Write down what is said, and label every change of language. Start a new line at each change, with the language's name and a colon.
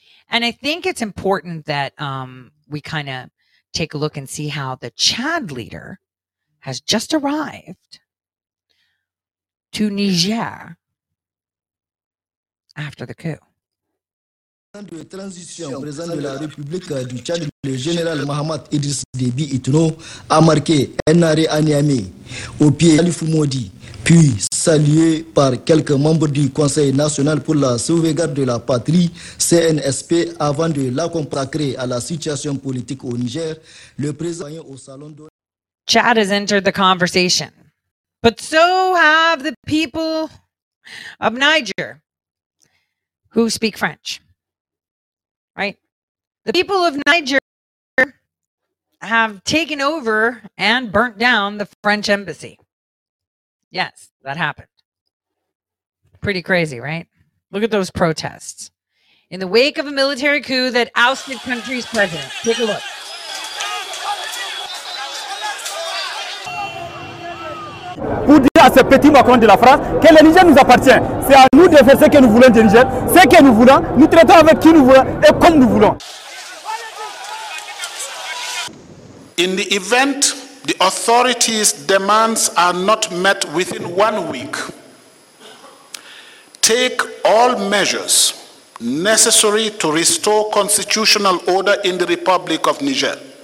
English: And I think it's important that we kind of take a look and see how the Chad leader has just arrived to Niger after the coup.
French: De transition, président de la République du Tchad, le général Mahamat Idriss Déby Itno, a marqué un arrêt à Niamey au pied d'Alifou Modi, puis salué par quelques membres du Conseil national pour la sauvegarde de la patrie, CNSP, avant de l'accompagner à la situation politique au Niger, le président au salon de...
English: Tchad has entered the conversation, but so have the people of Niger who speak French. Right? The people of Niger have taken over and burnt down the French embassy. Yes, that happened. Pretty crazy, right? Look at those protests. In the wake of a military coup that ousted the country's president. Take a look.
French: Pour dire à ce petit Macron de la France que le Niger nous appartient. C'est à nous de faire ce que nous voulons de Niger. Ce que nous voulons, nous traitons avec qui nous voulons et comme nous voulons.
English: In the event the authorities' demands are not met within 1 week, take all measures necessary to restore constitutional order in the Republic of Niger.